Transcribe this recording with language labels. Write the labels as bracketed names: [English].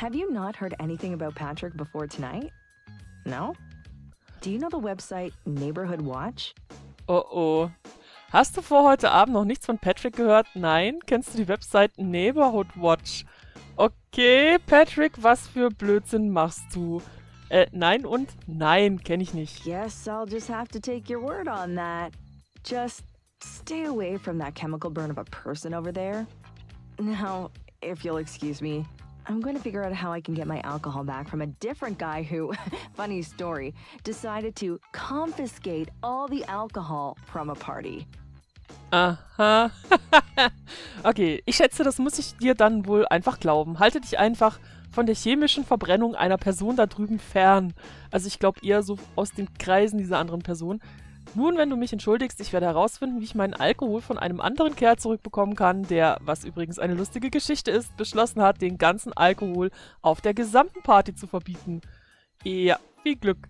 [English] Have you not heard anything about Patrick before tonight? No? Do you know the website Neighborhood Watch? Oh oh. [German] Hast du vor heute Abend noch nichts von Patrick gehört? Nein? Kennst du die Website Neighborhood Watch? Okay, Patrick, was für Blödsinn machst du? Nein und nein, kenne ich nicht. [English] Yes, I'll just have to take your word on that. Just stay away from that chemical burn of a person over there. Now, if you'll excuse me, I'm going to figure out how I can get my alcohol back from a different guy who, funny story, decided to confiscate all the alcohol from a party. Aha. [German] Okay, ich schätze, das muss ich dir dann wohl einfach glauben. Halte dich einfach von der chemischen Verbrennung einer Person da drüben fern. Also ich glaube eher so aus den Kreisen dieser anderen Person. Nun, wenn du mich entschuldigst, ich werde herausfinden, wie ich meinen Alkohol von einem anderen Kerl zurückbekommen kann, der, was übrigens eine lustige Geschichte ist, beschlossen hat, den ganzen Alkohol auf der gesamten Party zu verbieten. Ja, viel Glück.